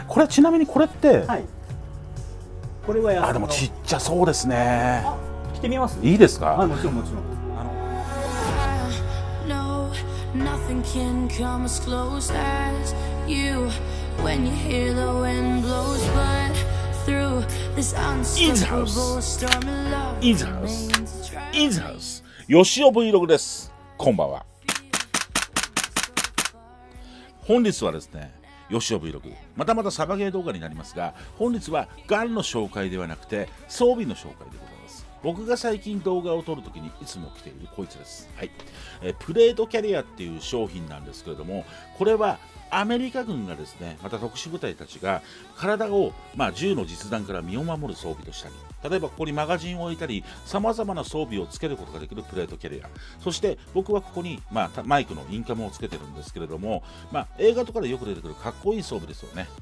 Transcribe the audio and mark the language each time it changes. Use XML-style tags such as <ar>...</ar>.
<ja>これちなみにこれって、はい、これはあでもちっちゃそうですね。着てみます。いいですか。あもちろんもちろん。</ja> <en>Nothing can come as close as you when you hear the wind blows but through this unstoppable storm of love in the house in the house</en> <ja>よしお Vlog です。こんばんは。本日はですね、よしお Vlog またまたサバゲー動画になりますが、本日はガンの紹介ではなくて装備の紹介でございます。僕が最近動画を撮るときにいつも着ているこいつです、はい、プレートキャリアっていう商品なんですけれども、これはアメリカ軍がですね、また特殊部隊たちが体を、まあ、銃の実弾から身を守る装備としたり、例えばここにマガジンを置いたり、さまざまな装備をつけることができるプレートキャリア、そして僕はここに、まあ、マイクのインカムをつけてるんですけれども、まあ、映画とかでよく出てくるかっこいい装備ですよね。</ja>